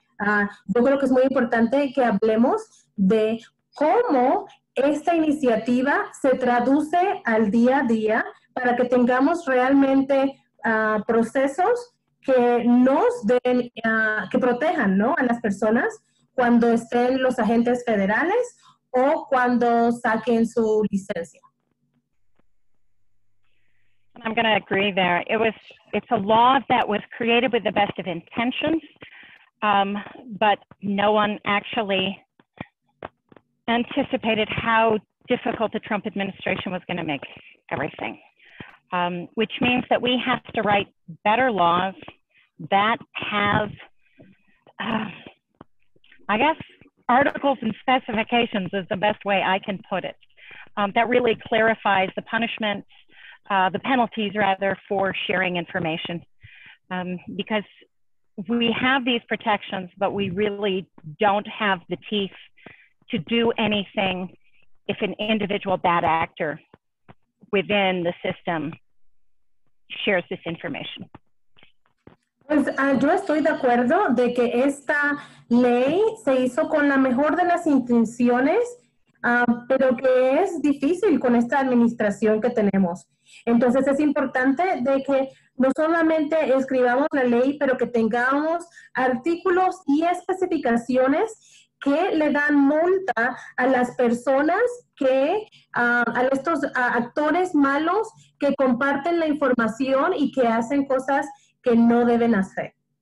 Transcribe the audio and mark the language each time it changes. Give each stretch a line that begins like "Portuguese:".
Spanish: Yo creo que es muy importante que hablemos de cómo esta iniciativa se traduce al día a día para que tengamos realmente procesos que nos den, que protejan, ¿no?, a las personas cuando estén los agentes federales o cuando saquen su licencia.
English: I'm going to agree there. It's a law that was created with the best of intentions, but no one actually anticipated how difficult the Trump administration was going to make everything, which means that we have to write better laws that have, I guess, articles and specifications is the best way I can put it, that really clarifies the punishments, the penalties, rather, for sharing information, because we have these protections, but we really don't have the teeth to do anything if an individual bad actor within the system shares this information.
Spanish: Pues, yo estoy de acuerdo de que esta ley se hizo con la mejor de las intenciones, pero que es difícil con esta administración que tenemos. Entonces, es importante de que no solamente escribamos la ley, pero que tengamos artículos y especificaciones que le dan multa a las personas que, a estos actores malos que comparten la información y que hacen cosas que no deben hacer.